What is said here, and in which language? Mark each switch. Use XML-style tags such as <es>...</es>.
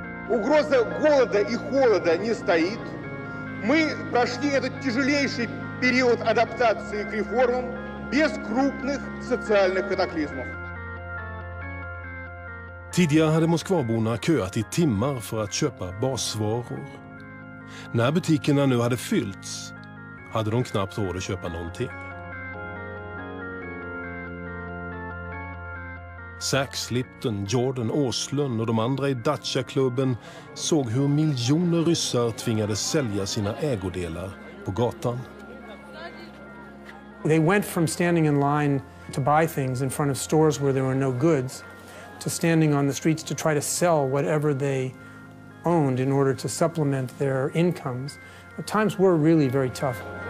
<ru>Угроза голода и холода не стоит. Мы прошли этот тяжелейший период адаптации к реформам без крупных социальных катаклизмов.</ru> <sv>Tidigare hade Moskvaborna köat i timmar för att köpa basvaror. När butikerna nu hade fyllts hade de knappt råd att köpa någonting. Sachs, Lipton, Jordan, Åslund och de andra i Dacia-klubben såg hur miljoner ryssar tvingades sälja sina ägodelar på gatan.</sv> <en>They went from standing in line to buy things in front of stores where there were no goods to standing on the streets to try to sell whatever they owned in order to supplement their incomes. The times were really very tough.</en>